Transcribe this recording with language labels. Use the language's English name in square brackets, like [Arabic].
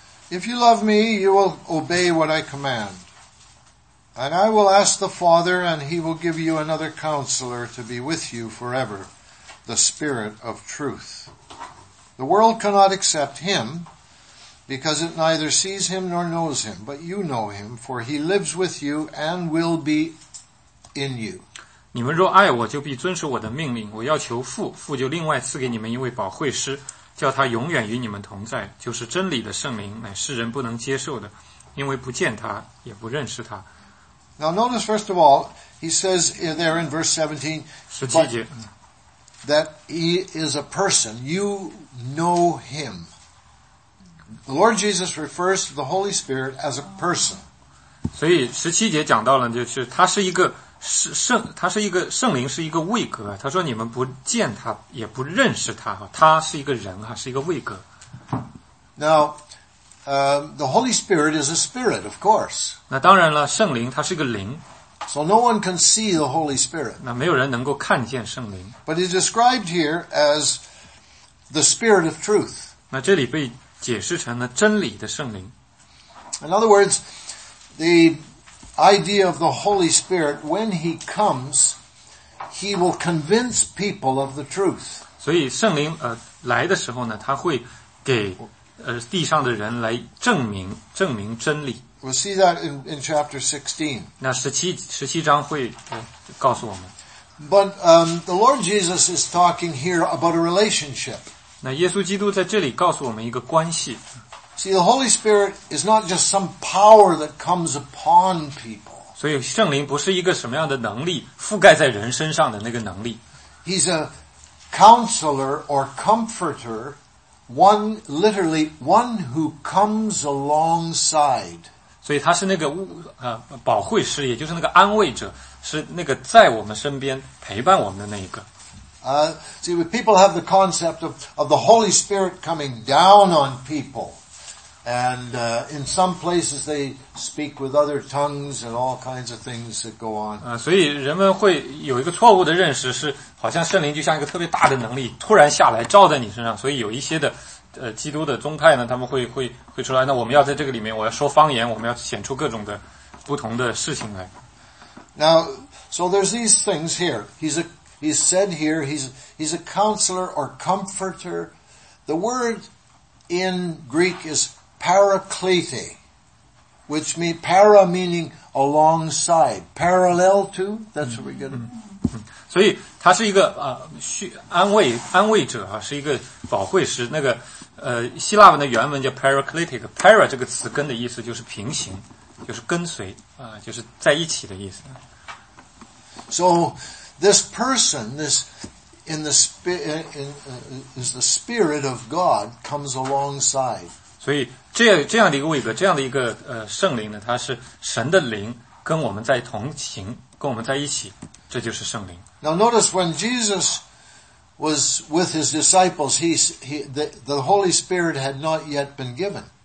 [English] If you love me, you will obey what I command. And I will ask the Father, and he will give you another counselor to be with you forever, the Spirit of Truth. The world cannot accept him, because it neither sees him nor knows him, but you know him, for he lives with you and will be in you. [Chinese] 你们若爱我就必遵守我的命令我要求父父就另外赐给你们一位保惠师叫他永远与你们同在就是真理的圣灵乃世人不能接受的因为不见他也不认识他 [English] Now notice first of all he says there in verse 17 [Chinese] 17节 [English] that he is a person you know him The Lord Jesus refers to the Holy Spirit as a person [Chinese] 所以17节讲到了就是他是一个他是一个圣灵是一个位格他说你们不见他也不认识他他是一个人是一个位格 [English] Now, the Holy Spirit is a spirit, of course. [Chinese] 那当然了圣灵他是一个灵 [English] So no one can see the Holy Spirit. [Chinese] 那没有人能够看见圣灵 [English] But he's described here as the Spirit of Truth. [Chinese] 那这里被解释成了真理的圣灵 [English] In other words, the idea of the Holy Spirit, when He comes, He will convince people of the truth. [Chinese] 所以圣灵来的时候呢，他会给地上的人来证明真理。 [English] We'll see that in chapter 16. [Chinese] 那十七章会告诉我们。 [English] But the Lord Jesus is talking here about a relationship. [Chinese] 那耶稣基督在这里告诉我们一个关系。 [English] See, the Holy Spirit is not just some power that comes upon people. [Chinese] 所以圣灵不是一个什么样的能力，覆盖在人身上的那个能力。 [English] He's a counselor or comforter, one literally one who comes alongside. [Chinese] 所以他是那个保惠师，也就是那个安慰者，是那个在我们身边陪伴我们的那一个。 [English] See, people have the concept of the Holy Spirit coming down on people. And in some places they speak with other tongues and all kinds of things that go on. [Chinese] 所以人们会有一个错误的认识，是好像圣灵就像一个特别大的能力突然下来照在你身上。所以有一些的基督的宗派呢，他们会出来，那我们要在这个里面，我要说方言，我们要显出各种的不同的事情来。 [English] Now, so there's these things here. He's said here, he's a counselor or comforter. The word in Greek is paraklete, which means para meaning alongside, parallel to. That's what we get. [Chinese] 所以他是一个安慰者啊，是一个保惠师。那个希腊文的原文叫 paraklete. Para 这个词根的意思就是平行，就是跟随啊，就是在一起的意思。 [English] So this person, this. In the spirit, is the spirit of God comes alongside. [Chinese] 所以这样的一个位格，这样的一个圣灵呢，它是神的灵跟我们在同行，跟我们在一起，这就是圣灵。 [English] Now notice when Jesus was with his disciples, the Holy Spirit had not yet been given.